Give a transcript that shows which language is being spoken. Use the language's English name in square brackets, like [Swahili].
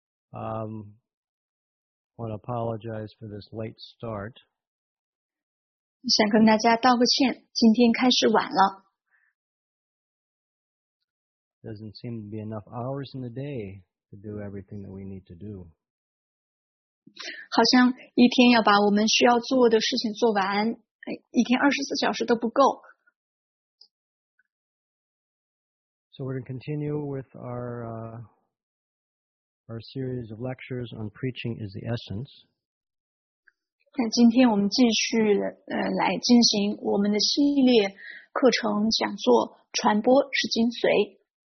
[English] I want to apologize for this late start. [Chinese] 想跟大家道个歉，今天开始晚了。 [English] Doesn't seem to be enough hours in the day to do everything that we need to do. [Chinese] 好像一天要把我们需要做的事情做完，一天二十四小时都不够。 [English] So we're going to continue with our series of lectures on preaching is the essence. [Chinese] 今天我们继续来进行我们的系列课程讲座，传播是精髓。